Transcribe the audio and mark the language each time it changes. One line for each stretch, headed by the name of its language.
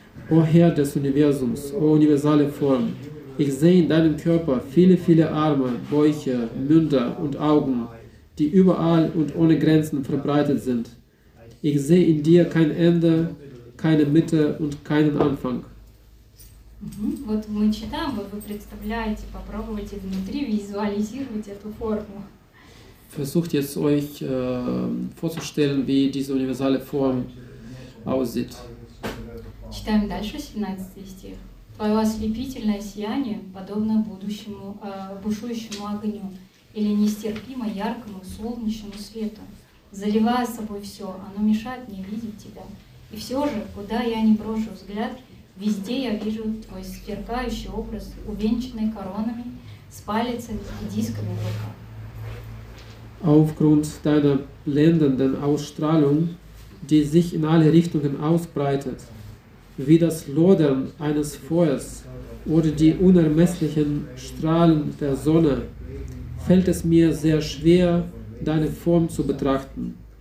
German: O Herr des Universums, o universale Form, ich sehe in deinem Körper viele, viele Arme, Bäuche, Münder und Augen, die überall und ohne Grenzen verbreitet sind. Ich sehe in dir kein Ende, keine Mitte und keinen Anfang.
Russian: Вот мы читаем, вот вы представляете, попробуйте внутри визуализировать эту форму.
German: Versucht jetzt euch vorzustellen, wie diese universale Form aussieht.
Russian: Читаем дальше 17 стих. Твое ослепительное сияние подобно будущему бушующему огню или нестерпимо яркому солнечному свету. Заливая собой все, оно мешает мне видеть тебя. И все же, куда я ни брошу взгляд, везде я вижу твой сверкающий образ, увенчанный коронами, с палицами и дисками в руках.
German: aufgrund deiner blendenden Ausstrahlung, die sich in alle Richtungen ausbreitet, wie das Lodern eines Feuers oder die unermesslichen Strahlen der Sonne, fällt es mir sehr schwer, deine Form zu betrachten.